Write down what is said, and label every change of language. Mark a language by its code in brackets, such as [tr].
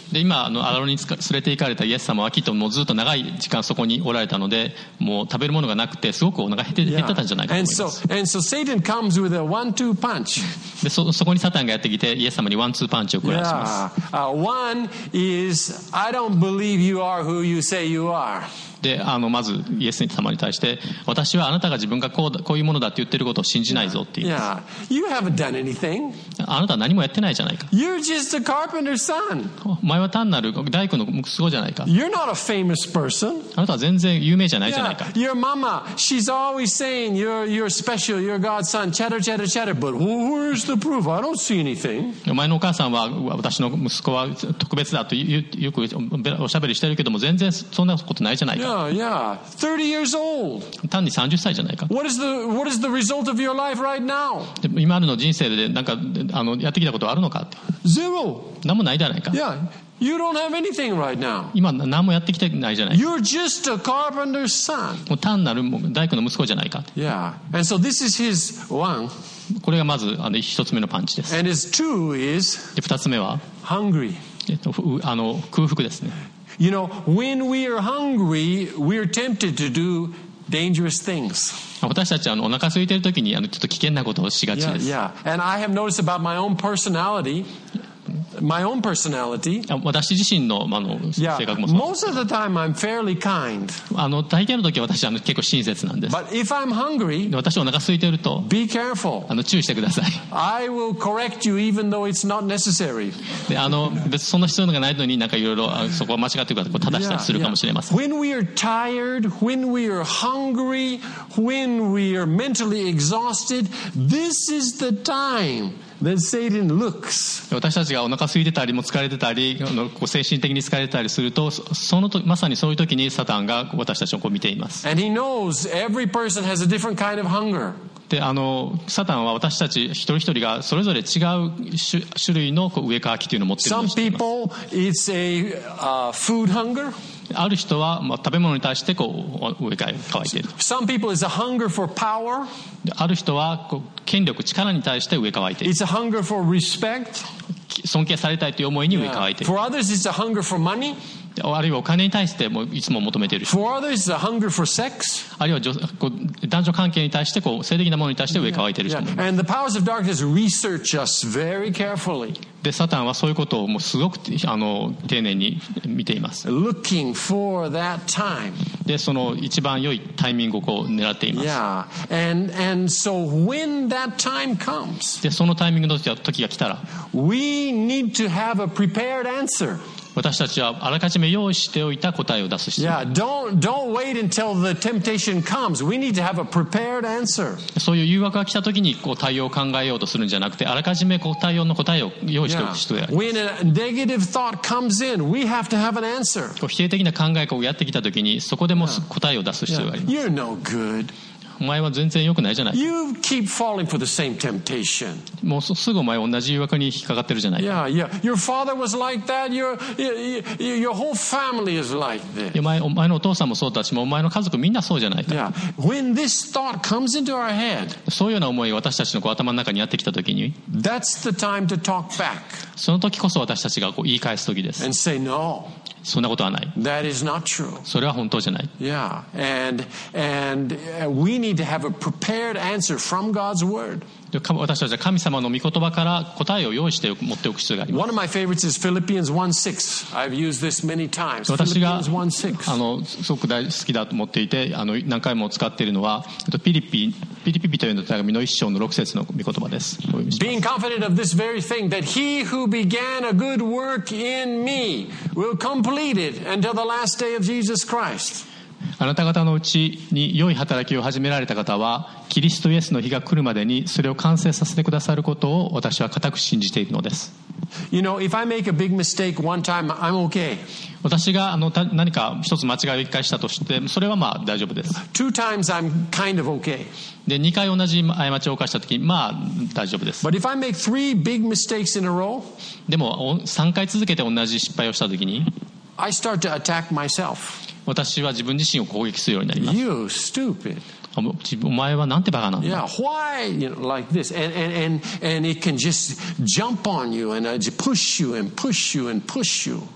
[ja] で、今アロンに連れて行かれたイエス様はきっともうずっと長い時間そこにおられたので、もう食べるものがなくてすごくお腹減ってたんじゃないかと思います。 [en] And so, and so Satan comes with a one-two punch. [ja] で、そこにサタンがやってきてイエス様にワンツーパンチを食らします。 [en] Yeah. One is, I don't believe you are who you say you are. [ja] で、まずイエス様に対して、私はあなたが自分がこういうものだって言ってることを信じないぞって言います。 [en] Yeah. You haven't done anything. [ja] あなたは何もやってないじゃないか。 [en] You're just a carpenter's son. [ja] お前は単なる大工の息子じゃないか。 [en] You're not a famous person. [ja] あなたは全然有名じゃないじゃないか。 [en] Yeah. Your mama, she's always saying you're special, you're God's son, chatter, chatter, chatter. But where's the proof? I don't see anything. [ja] お前のお母さんは私の息子は特別だとよくおしゃべりしてるけども、全然そんなことないじゃないか。 [en] Yeah, yeah. 30 years old. [ja] 単に30歳じゃないか。 [en] What is the result of your life right now? [ja] 今あるの人生でなんかやってきたことはあるのかって。 [en] Zero. [ja] 何もないじゃないか。 [en] Yeah, you don't have anything right now. [ja] 今何もやってきてないじゃないか。 [en] You're just a carpenter's son. [ja] もう単なる大工の息子じゃないかって。 [en] Yeah, and so this is his one. [ja] これがまず一つ目のパンチです。 [en] And his two is [ja] 二つ目は [en] hungry. [ja] 空腹ですね。 [en] You know, when we are hungry, we are tempted to do dangerous things. [ja] 私たちはお腹空いてる時にちょっと危険なことをしがちです。 [en] Yeah, yeah. And I have noticed about my own personality. My own personality. [ja] 私自身の性格もそう。 [en] Most of the time, I'm fairly kind. [ja] 大抵の時は私は結構親切なんです。 [en] But if I'm hungry, [ja] 私お腹空いてると、 [en] be careful. [ja] 注意してください。 [en] I will correct you even though it's not necessary. [ja] 別にそんな必要がないのに、なんかいろいろそこは間違ってるから正したりするかもしれません。 [en] When we are tired, when we are hungry, when we are mentally exhausted, this is the time. That Satan looks. [ja] 私たちがお腹空いてたりも疲れてたり、精神的に疲れてたりすると、まさにそういう時にサタンが私たちをこう見ています。 [en] And he knows every person has a different kind of hunger. [ja] で、サタンは私たち一人一人がそれぞれ違う種類のこう上渇きというのを持っているんです。 [en] Some people, it's a food hunger. [ja] ある人は食べ物に対してこう上から渇いている。 [en] Some people is a hunger for power. [ja] ある人はこう権力力に対して上から渇いている。 [en] It's a hunger for respect. [ja] 尊敬されたいという思いに上から渇いている。 [en] For others it's a hunger for money. [ja] あるいはお金に対してもいつも求めている人。 [en] For others, a hunger for sex. [ja] あるいは男女関係に対してこう性的なものに対して上から渇いている人。 [en] Yeah. And the powers of darkness research us very carefully. [ja] でサタンはそういうことをもうすごく丁寧に見ています。 [en] Looking for that time. [ja] でその一番良いタイミングをこう狙っています。 [en] Yeah. And so when that time comes, [ja] でそのタイミングの時が来たら、 [en] we need to have a prepared answer. [ja] 私たちはあらかじめ用意しておいた答えを出す必要。 [en] Yeah. Don't wait until the temptation comes. We need to have a prepared answer. [ja] そういう誘惑が来た時にこう対応を考えようとするんじゃなくて、あらかじめこう対応の答えを [en] Yeah. When a negative thought comes in, we have to have an answer. [ja] 否定的な考えがやってきたときに、そこでも答えを出す必要があります。 [en] You're no good. [ja] お前は全然良くないじゃないか。 [en] You keep falling for the same temptation. [ja] もうすぐお前同じ誘惑に引っかかってるじゃないか。 [en] Yeah, yeah. Your father was like that. Your whole family is like this. [ja] お前のお父さんもそうだし、お前の家族みんなそうじゃないか。 [en] Yeah. When this thought comes into our head, [ja] そういうような思いを私たちの頭の中にやってきたときに、 [en] That's the time to talk back. [ja] その時こそ私たちがこう言い返す時です。 [en] And say no. [ja] そんなことはない。 [en] That is not true. [ja] それは本当じゃない。 [en] Yeah. And we need to have a prepared answer from God's word. [ja] 私たちは神様の御言葉から答えを用意して持っておく必要があります。 [en] One of my favorites is Philippians 1:6. I've used this many times. [ja] 私がすごく大好きだと思っていて何回も使っているのはピリピという手紙の1章の6節の御言葉です。 [en] Being confident of this very thing, that he who began a good work in me will complete it until the last day of Jesus Christ. [ja] あなた方のうちに良い働きを始められた方はキリストイエスの日が来るまでにそれを完成させてくださることを私は固く信じているのです。 [en] You know, if I make a big mistake one time, I'm okay. [ja] 私が何か一つ間違いを一回したとしてそれはまあ大丈夫です。 [en] Two times I'm kind of okay. [ja] で、2回同じ過ちを犯したとき、まあ大丈夫です。 [en] But if I make three big mistakes in a row, [ja] でも3回続けて同じ失敗をしたときに、 [en] I start to attack myself. [ja] 私は自分自身を攻撃するようになります。 [en] You stupid. [ja] お前はなんてバカなんだ。 [en] Yeah, why you know, like this? And it can just jump on you and push you and push you and push you.